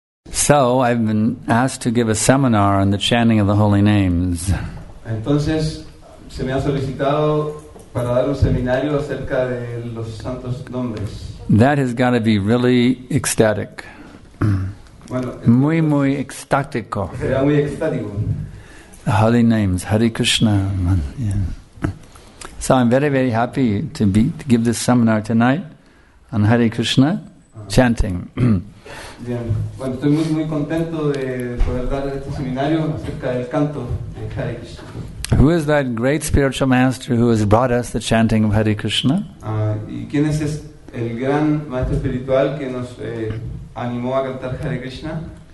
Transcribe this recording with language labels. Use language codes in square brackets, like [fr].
[en] So, I've been asked to give a seminar on the chanting of the holy names. [es] Entonces, se me ha solicitado para dar un seminario acerca de los santos nombres. [en] That has got to be really ecstatic. [es] Bueno, muy, muy extático. Será muy extático. [en] The holy names, Hare Krishna. Yeah. So I'm very, very happy to give this seminar tonight on Hare Krishna chanting. [es] Bien. Bueno, estoy muy, muy contento de poder dar este seminario acerca del canto de Hare Krishna. [en] Who is that great spiritual master who has brought us the chanting of Hare Krishna? [es] ¿Y quién es el gran maestro espiritual que nos animó a cantar Hare Krishna?